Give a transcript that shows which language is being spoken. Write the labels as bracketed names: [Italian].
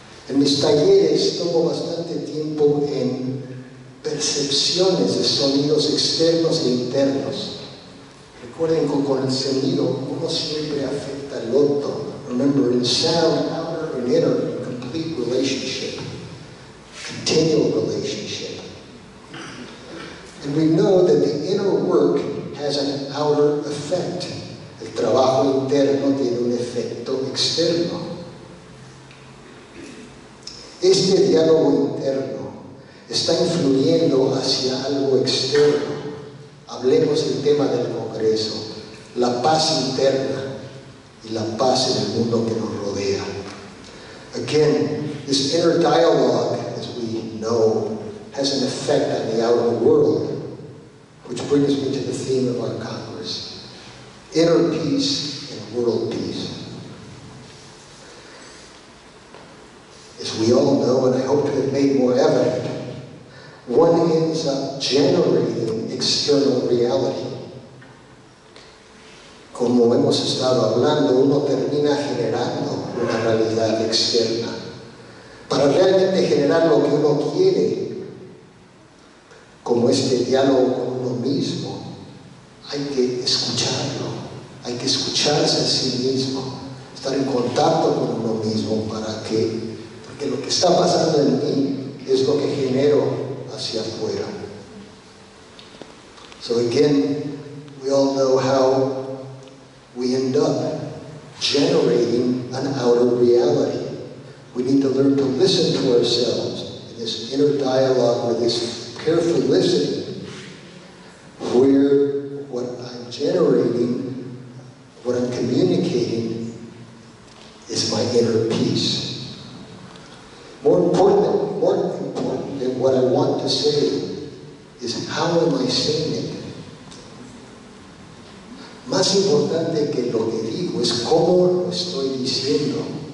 [Spanish] En mis talleres tomo bastante tiempo en percepciones de sonidos externos e internos. Recuerden que con el sonido uno siempre afecta al otro. [English] Remember, in sound, outer and inner, complete relationship, continual relationship. And we know that the inner work has an outer effect. [Spanish] El trabajo interno tiene un efecto externo. Este diálogo interno está influyendo hacia algo externo. Hablemos del tema del Congreso, la paz interna y la paz en el mundo que nos rodea. [English] Again, this inner dialogue, as we know, has an effect on the outer world, which brings me to the theme of our Congress, inner peace and world peace. As we all know, and I hope to have made more evident, one ends up generating external reality. [Spanish] Como hemos estado hablando, uno termina generando una realidad externa. Para realmente generar lo que uno quiere, como este diálogo con uno mismo, hay que escucharlo, hay que escucharse a sí mismo, estar en contacto con uno mismo. ¿Para qué? Porque lo que está pasando en mí es lo que genero hacia afuera. [English] So again, we all know how we end up generating an outer reality. We need to learn to listen to ourselves in this inner dialogue with this careful listening, where what I'm generating, what I'm communicating, is my inner peace. More important than what I want to say is how am I saying it? [Spanish] Más importante que lo que digo es cómo lo estoy diciendo.